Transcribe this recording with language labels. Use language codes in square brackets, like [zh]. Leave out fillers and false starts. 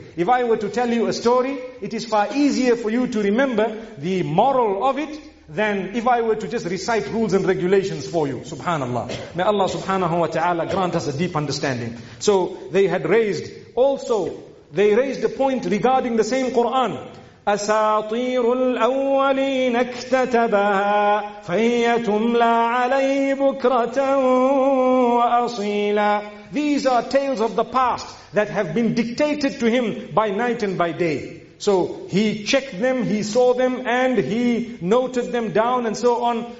[en] If I were to tell you a story, it is far easier for you to remember the moral of it than if I were to just recite rules and regulations for you. Subhanallah. May Allah subhanahu wa ta'ala grant us a deep understanding. So they had raised, also, they raised a point regarding the same Quran. [ar] أساطير الأولين اكتتبها فهي تملى عليه بكرة وأصيلا. [en] These are tales of the past that have been dictated to him by night and by day. So he checked them, he saw them, and he noted them down and so on.